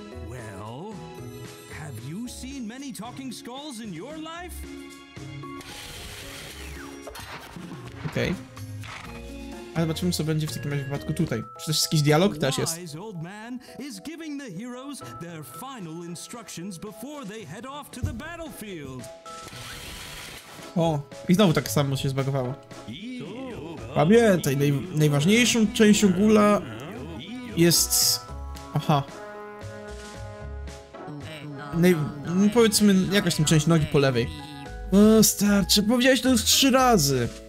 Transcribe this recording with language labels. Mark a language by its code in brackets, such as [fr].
[en] Well, have you seen many talking skulls in your life? [pl] Okej. Ale zobaczymy, co będzie w takim razie wypadku tutaj. Czy też jakiś dialog też jest? [en] The wise old man is giving the heroes their final instructions before they head off to the battlefield. [pl] O, i znowu tak samo się zbagowało. Pamiętaj, najważniejszą częścią gula jest... Aha. Powiedzmy, jakaś tam część nogi po lewej. O, starczy, powiedziałeś to już 3 razy.